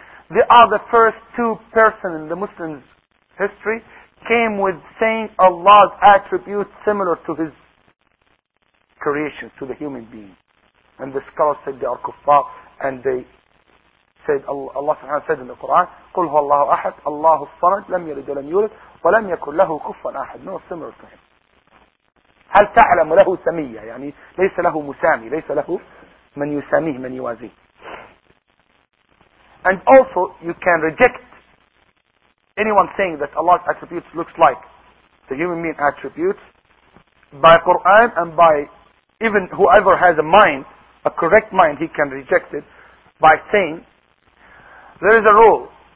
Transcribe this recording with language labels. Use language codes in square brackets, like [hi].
[en] They are the first two persons in the Muslim's history came with saying Allah's attributes similar to His creation, to the human being. And the scholars said they are kuffar, and they said, Allah subhanahu wa ta'ala said in the Quran, [ar] قُلْ هُوَ اللَّهُ أَحَدٌ اللَّهُ الصَّمَدُ لَمْ يَلِدْ وَلَمْ يُولَدْ وَلَمْ يَكُنْ لَهُ كُفُوًا أَحَدٌ. [en] No, similar to him. [ar] هَلْ تَعْلَمُ لَهُ سَمِيَّةً, يعني ليس له مسامي, ليس له من يساميه, من يوازيه. [en] And also, you can reject anyone saying that Allah's attributes looks like the human being attributes by Quran and by even whoever has a mind, a correct mind, he can reject it by saying there is a rule.